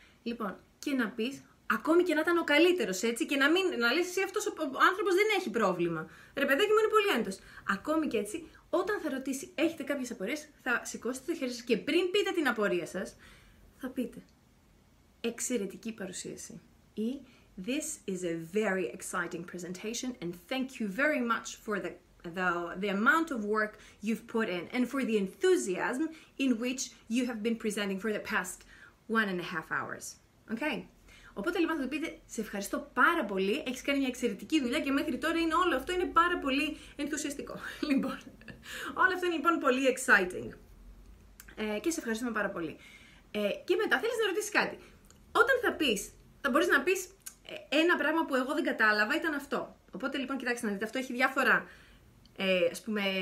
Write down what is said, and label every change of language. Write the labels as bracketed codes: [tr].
[el] Λοιπόν, και να πεις, ακόμη και να ήταν ο καλύτερος, έτσι, και να λες εσύ αυτός ο άνθρωπος δεν έχει πρόβλημα. Ρε παιδάκι μου είναι πολύ άνετος. Ακόμη και έτσι, όταν θα ρωτήσει, έχετε κάποιες απορίες, θα σηκώσετε το χέρι σας και πριν πείτε την απορία σας, θα πείτε, εξαιρετική παρουσίαση. Ή, [en] this is a very exciting presentation and thank you very much for the amount of work you've put in and for the enthusiasm in which you have been presenting for the past 1.5 hours. Okay? [el] Οπότε λοιπόν θα του πείτε, σε ευχαριστώ πάρα πολύ, έχεις κάνει μια εξαιρετική δουλειά και μέχρι τώρα είναι όλο αυτό είναι πάρα πολύ ενθουσιαστικό. Λοιπόν, όλο αυτό είναι λοιπόν πολύ exciting. Και σε ευχαριστούμε πάρα πολύ. Και μετά θέλεις να ρωτήσεις κάτι. Όταν θα μπορείς να πεις ένα πράγμα που εγώ δεν κατάλαβα ήταν αυτό. Οπότε λοιπόν κοιτάξτε να δείτε, αυτό έχει διάφορα, ας πούμε,